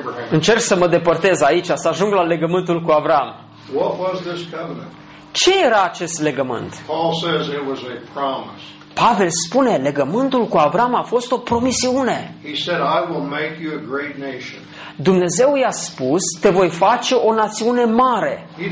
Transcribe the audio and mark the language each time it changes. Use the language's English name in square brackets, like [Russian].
[Romanian] Încerc să mă depărtez aici, să ajung la legământul cu Avraam. [English] What was this covenant? [Romanian] Ce era acest legământ? [English] Paul says it was a promise. [Romanian] Pavel spune, legământul cu Avraam a fost o promisiune. [English] He said, I will make you a great nation. [Romanian] Dumnezeu i-a spus, te voi face o națiune mare.